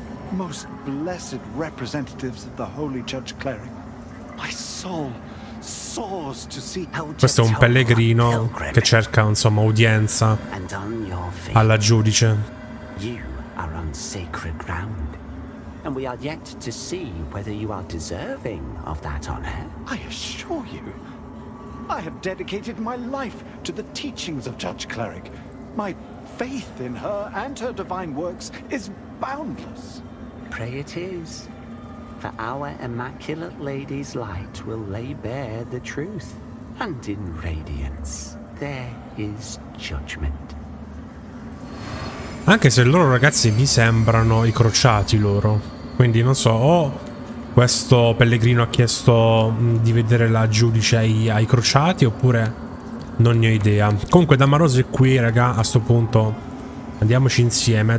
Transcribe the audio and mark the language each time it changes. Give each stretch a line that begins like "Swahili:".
English: Most blessed representatives of the Holy Judge Cleric. My soul soars to see how.
Italian: Questo è un pellegrino che cerca, insomma, udienza alla giudice.
English: You are on sacred ground, and we are yet to see whether you are deserving of that honor. I assure you, I have dedicated my life to the teachings of Judge Cleric. My faith in her and her divine works is boundless. Pray it is, for our immaculate lady's light will lay bare the truth, and in radiance there is judgment.
Italian: Anche se loro, ragazzi, mi sembrano i crociati loro, quindi non so, o questo pellegrino ha chiesto di vedere la giudice ai crociati, oppure non ne ho idea. Comunque Dama Rose è qui, raga, a sto punto. Andiamoci insieme.